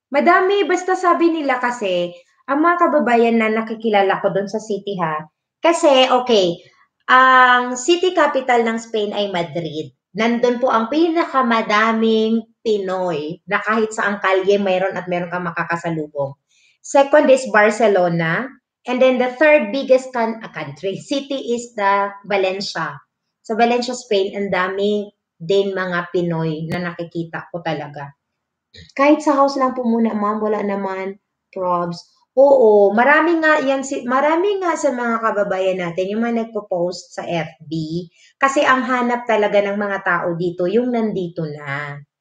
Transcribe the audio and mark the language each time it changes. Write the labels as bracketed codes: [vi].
[tl] Madami, basta sabi nila kasi, ang mga kababayan na nakikilala ko doon sa city ha, kasi, okay, ang city capital ng Spain ay Madrid. Nandun po ang pinakamadaming Pinoy na kahit sa ang kalye mayroon at mayroon kang makakasalubong. [en] Second is Barcelona. And then the third biggest country, city is the Valencia. [tl] Sa Valencia, Spain, ang dami din mga Pinoy na nakikita ko talaga. Kahit sa house lang po muna, ma'am, wala naman probs. Oo, marami nga yan si marami nga sa mga kababayan natin yung mga nagpo-post sa FB kasi ang hanap talaga ng mga tao dito yung nandito na.